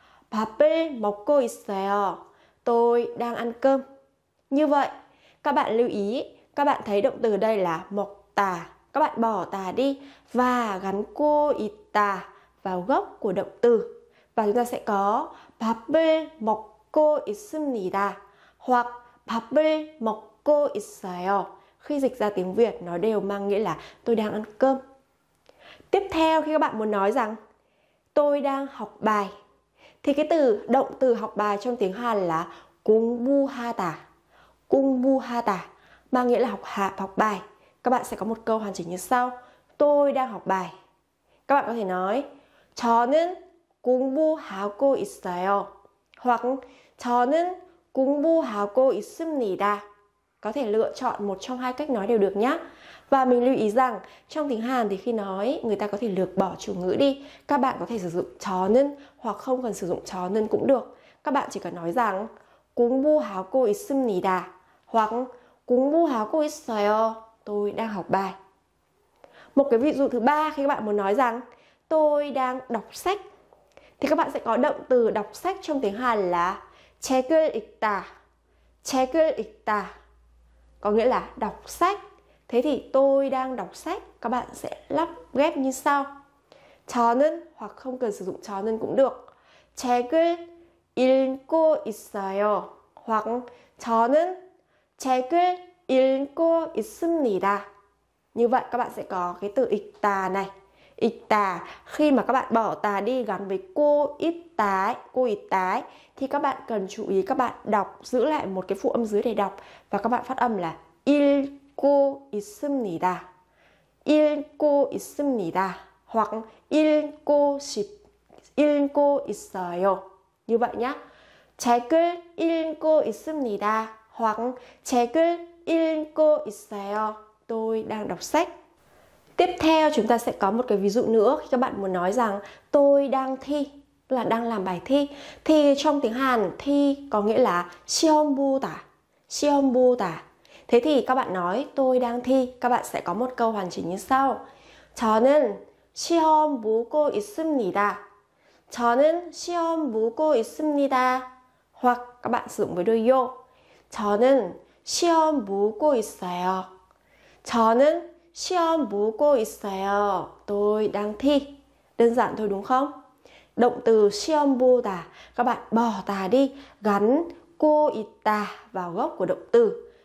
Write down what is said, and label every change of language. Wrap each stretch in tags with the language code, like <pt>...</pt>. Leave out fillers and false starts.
<ko>밥을 먹고 있어요.</ko> <vi>Tôi đang ăn cơm. Như vậy, các bạn lưu ý, các bạn thấy động từ đây là 먹다. Các bạn bỏ ta đi và gắn cô 있다 vào gốc của động từ. Và chúng ta sẽ có</vi> <ko>밥을 먹고 있습니다. Hoặc 밥을 먹고 있어요.</ko> <vi>Khi dịch ra tiếng Việt, nó đều mang nghĩa là tôi đang ăn cơm. Tiếp theo, khi các bạn muốn nói rằng tôi đang học bài, thì cái từ động từ học bài trong tiếng Hàn là 공부하다. 공부하다 mang nghĩa là học bài. Các bạn sẽ có một câu hoàn chỉnh như sau: tôi đang học bài. Các bạn có thể nói</vi> <ko>저는 공부하고 있어요. Hoặc 저는 공부하고 있습니다.</ko> <vi>Có thể lựa chọn một trong hai cách nói đều được nhé. Và mình lưu ý rằng trong tiếng Hàn thì khi nói người ta có thể lược bỏ chủ ngữ đi. Các bạn có thể sử dụng 저는 hoặc không cần sử dụng 저는 cũng được. Các bạn chỉ cần nói rằng</vi> <ko>공부하고 있습니다</ko> <vi>hoặc</vi> <ko>공부하고 있어요.</ko> <vi>Tôi đang học bài. Một cái ví dụ thứ ba khi các bạn muốn nói rằng tôi đang đọc sách thì các bạn sẽ có động từ đọc sách trong tiếng Hàn là 책을 읽다.</vi> <ko>책을 읽다.</ko> <vi>Có nghĩa là đọc sách. Thế thì tôi đang đọc sách, các bạn sẽ lắp ghép như sau. 저는 hoặc không cần sử dụng 저는 cũng được.</vi> <ko>책을 읽고 있어요. Hoặc 저는 책을 읽고 있습니다.</ko> <vi>Như vậy các bạn sẽ có cái từ ita này. Ita khi mà các bạn bỏ ta đi gắn với cô ita ấy, cô ita ấy, thì các bạn cần chú ý các bạn đọc giữ lại một cái phụ âm dưới để đọc và các bạn phát âm là il cô isumnida. Il cô isumnida hoặc il cô ship il cô isayo. Như vậy nhá.</vi> <ko>책을 읽고 있습니다. Hoặc 책을 읽고 있어요.</ko> <vi>Tôi đang đọc sách. Tiếp theo chúng ta sẽ có một cái ví dụ nữa khi các bạn muốn nói rằng tôi đang thi là đang làm bài thi thì trong tiếng Hàn thi có nghĩa là 시험 보다.</vi> <ko>시험 보다.</ko> <vi>Thế thì các bạn nói tôi đang thi, các bạn sẽ có một câu hoàn chỉnh như sau.</vi> <ko>저는 시험 보고 있습니다. 저는 시험 보고 있습니다. Hoặc các bạn sử dụng với đuôi 요. 저는 시험 보고 있어요. 저는 시험 보고 있어요.</ko> <vi>Tôi đang thi. Đơn giản thôi đúng không? Động từ 시험 보다, các bạn bỏ ta đi, gắn cô ita vào gốc của động từ.</vi>